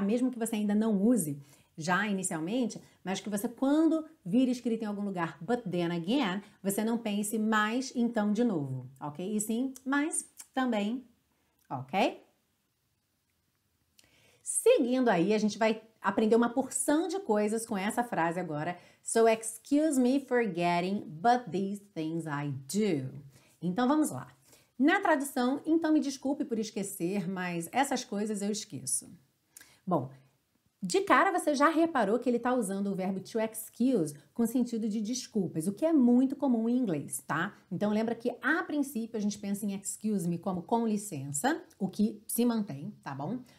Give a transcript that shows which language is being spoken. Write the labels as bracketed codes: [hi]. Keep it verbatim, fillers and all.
[pt] Mesmo que você ainda não use já inicialmente, mas que você quando vir escrito em algum lugar [en] but then again, [pt] você não pense mas então de novo, ok? E sim, mas também, ok? Seguindo aí, a gente vai aprender uma porção de coisas com essa frase agora. [en] So, excuse me for forgetting, but these things I do. [pt] Então, vamos lá. Na tradução, então me desculpe por esquecer, mas essas coisas eu esqueço. Bom, De cara, você já reparou que ele está usando o verbo to excuse com sentido de desculpas, o que é muito comum em inglês, tá? Então, lembra que, a princípio, a gente pensa em [en] excuse me [pt] como com licença, o que se mantém, tá bom?